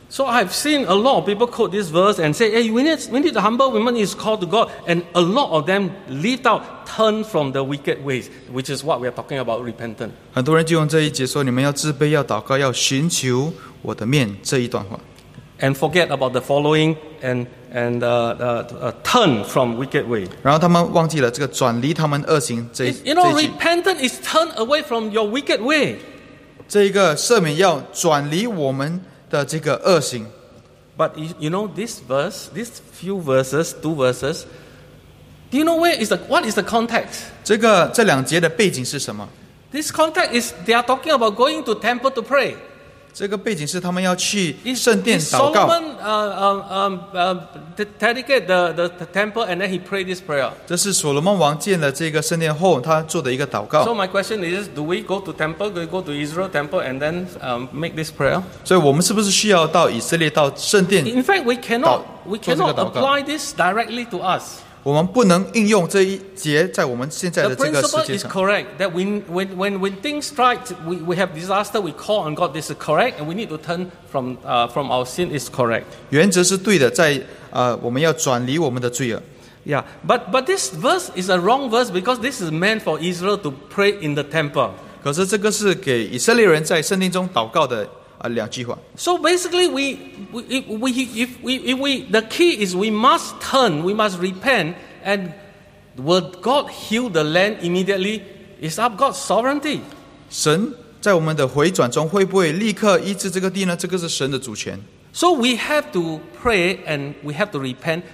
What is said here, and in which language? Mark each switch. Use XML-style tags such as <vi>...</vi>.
<en>So I've seen a lot of people quote this verse and say, "Hey, we need to humble women is called to God." And a lot of them leave out, turn from the wicked ways, which is what we are talking about, repentance.</en> <zh>很多人就用这一节说，你们要自卑，要祷告，要寻求我的面这一段话。</zh> <en>And forget about the following turn from wicked way.</en> <zh>然后他们忘记了这个转离他们恶行这一句。</zh> <en>Repentance is turn away from your wicked way.</en> <zh>这个赦免要转离我们的这个恶行。</zh> <en>But you know this verse, these few verses, two verses, do you know what is the context?</en> <zh>这两节的背景是什么?</zh> <en>This context is they are talking about going to temple to pray.</en> <zh>这个背景是他们要去圣殿祷告。</zh> <en>Solomon dedicate the temple and then he prayed this prayer.</en> <zh>这是所罗门王建了这个圣殿后他做的一个祷告。</zh> <en>So my question is, do we go to temple? Do we go to Israel temple and then make this prayer?</en> <zh>所以我们是不是需要到以色列到圣殿？</zh> <en>In fact, we cannot apply this directly to us.</en> <zh>我们不能应用这一节在我们现在的这个世界上。</zh> <en>The principle is correct that when things strike, we have disaster, we call on God. This is correct, and we need to turn from our sin. Is correct.</en> <zh>原则是对的，在我们要转离我们的罪恶。</zh> <en>Yeah, but this verse is a wrong verse because this is meant for Israel to pray in the temple.</en> <zh>可是这个是给以色列人在圣殿中祷告的。两句话.</zh> <en>So basically, if we the key is we must turn, we must repent, and will God heal the land immediately? It's up God's sovereignty.</en> <zh>神在我们的回转中会不会立刻医治这个地呢？这个是神的主权.</zh> <en>So we have to pray and we have to repent.</en>